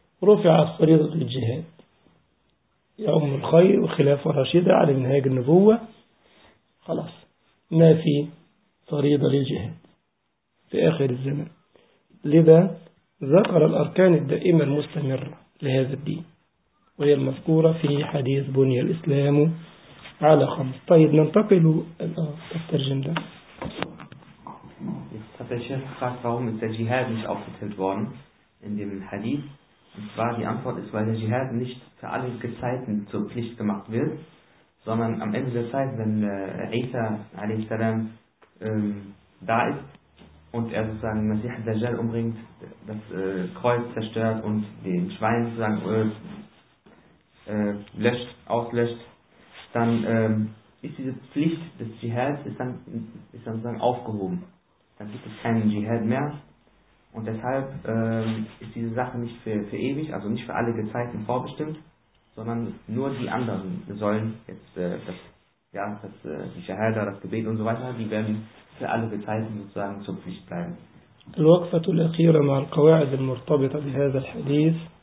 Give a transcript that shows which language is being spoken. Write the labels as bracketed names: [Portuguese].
[Arabic] رفعت فريضة الجهاد يوم الخير وخلافة راشدة على منهاج النبوة، خلاص ما في فريضة للجهاد في آخر الزمن. لذا ذكر الأركان الدائمة المستمرة لهذا الدين وهي المذكورة في حديث بني الإسلام على خمس. طيب ننتقل إلى الترجمة. [German] Der fragt, warum ist der Dschihad nicht aufgezählt worden in dem Hadith? Und zwar die Antwort ist, weil der Dschihad nicht für alle Gezeiten zur Pflicht gemacht wird, sondern am Ende der Zeit, wenn Isa a.s. Da ist und er sozusagen Masih al-Dajjal umbringt, das Kreuz zerstört und den Schwein sozusagen auslöscht, dann ist diese Pflicht des Dschihad ist dann sozusagen aufgehoben. Dann gibt es keinen Dschihad mehr. Und deshalb ist diese Sache nicht für ewig, also nicht für alle Gezeiten vorbestimmt, sondern nur die anderen sollen jetzt die Shahada, das Gebet und so weiter, die werden für alle Gezeiten sozusagen zur Pflicht bleiben. [Arabic] الوقفة الأخيرة مع القواعد المرتبطة بهذا الحديث.